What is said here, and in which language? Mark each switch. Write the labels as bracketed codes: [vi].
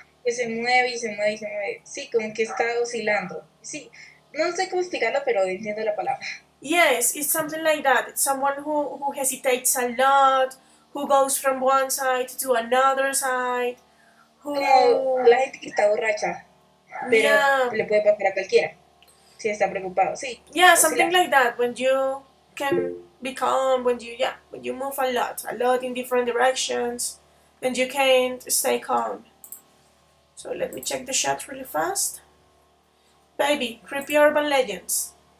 [es] Que se mueve y se mueve y se mueve. Sí, como que está oscilando. Sí, no sé cómo explicarlo, pero entiendo la palabra. [en] Yes, it's something like that. It's someone who hesitates a lot, who goes from one side to another side, who... [es] La gente que está borracha. Pero [en] yeah. [es] Le puede pasar a cualquiera si está preocupado, sí. [en] Yeah, something like that, when you can be calm, when you move a lot in different directions, then you can't stay calm. So let me check the chat really fast. Baby, creepy urban legends.